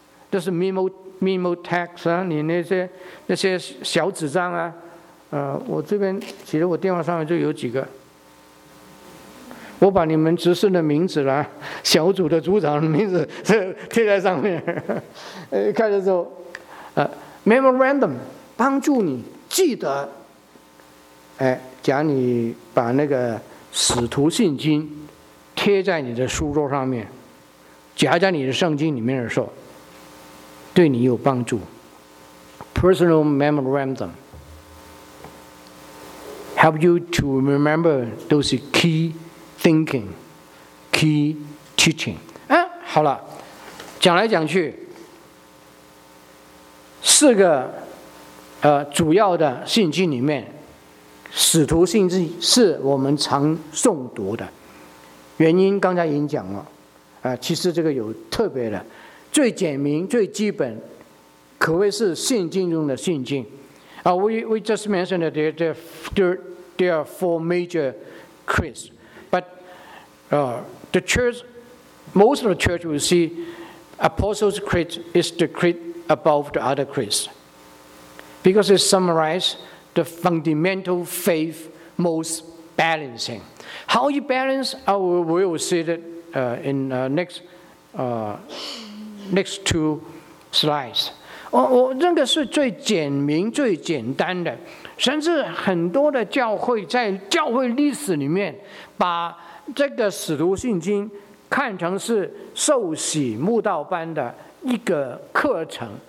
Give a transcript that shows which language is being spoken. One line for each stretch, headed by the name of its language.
Chinese: 就是 memo text 啊，你那些小纸张啊，我这边其实我电话上面就有几个，我把你们执事的名字啦，小组的组长的名字贴在上面，看的时候，memorandum 帮助你记得。哎，假如你把那个使徒信经贴在你的书桌上面，夹在你的圣经里面的时候，对你有帮助。
English: Personal memorandum help you to remember those key thinking, key teaching。
Chinese: 哎，好了，讲来讲去，四个主要的信经里面。使徒信经是我们常诵读的，原因刚才已经讲了，其实这个有特别的，最简明、最基本，可谓是信经中的信经。
English: We just mentioned that there are four major creeds, but the church, most of the church will see Apostles' Creed is the creed above the other creeds, because it summarizes. The fundamental faith most balancing. How you balance? We will see that in next two slides.
Chinese: 这个是最简明、最简单的。甚至很多的教会在教会历史里面，把这个使徒信经看成是受洗慕道班的一个课程。